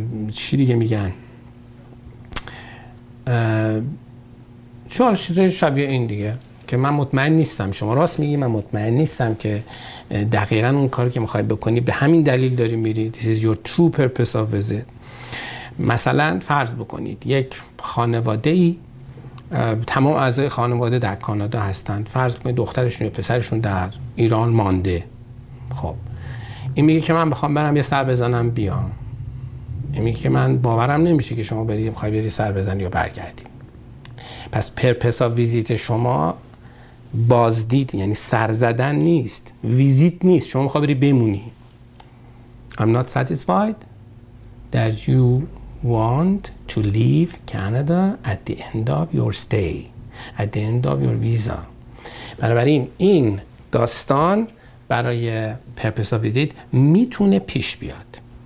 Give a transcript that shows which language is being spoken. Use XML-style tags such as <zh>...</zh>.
<fa>چی دیگه میگن؟ چهار چیزای شبیه این دیگه که من مطمئن نیستم شما راست میگی، من مطمئن نیستم که دقیقا اون کاری که میخوای بکنی به همین دلیل داری میری.</fa> <en>This is your true purpose of visit.</en> <fa>مثلا فرض بکنید یک خانواده ای، تمام اعضای خانواده در کانادا هستند، فرض کنید دخترشون یا پسرشون در ایران مانده. خب این میگه که من بخوام برم یه سر بزنم بیام. این میگه که من باورم نمیشه که شما برید، میخوای بری سر بزنی یا برگردی. پس پرپس آف ویزیت شما بازدید، یعنی سر زدن نیست، ویزیت نیست، شما میخوای بری بمونی.</fa> <en>I'm not satisfied that you want to leave Canada at the end of your stay, at the end of your visa.</en> <fa>بنابراین این داستان برای پرپس آف ویزیت میتونه پیش بیاد.</fa>